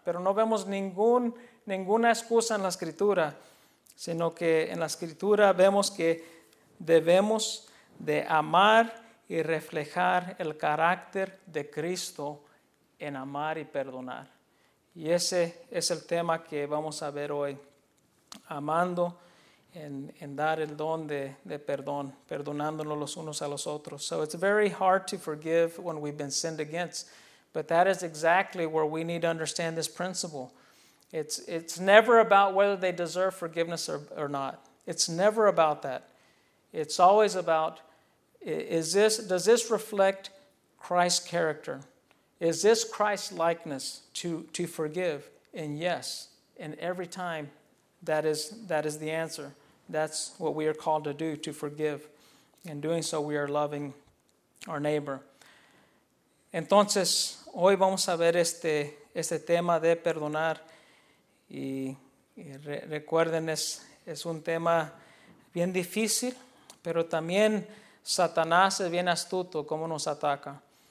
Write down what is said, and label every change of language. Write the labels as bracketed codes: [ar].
[es] Pero no vemos ninguna excusa en la Escritura, sino que en la Escritura vemos que debemos de amar y reflejar el carácter de Cristo en amar y perdonar. Y ese es el tema que vamos a ver hoy. Amando en dar el don de perdón, perdonándonos los unos a los otros. [en] So it's very hard to forgive when we've been sinned against. But that is exactly where we need to understand this principle. It's never about whether they deserve forgiveness or not. It's never about that. It's always about, does this reflect Christ's character? Is this Christ's likeness to forgive? And yes, and every time, that is the answer. That's what we are called to do, to forgive. In doing so, we are loving our neighbor. [es] Entonces, hoy vamos a ver este tema de perdonar. Y recuerden, es un tema bien difícil, pero también Satanás es bien astuto cómo nos ataca.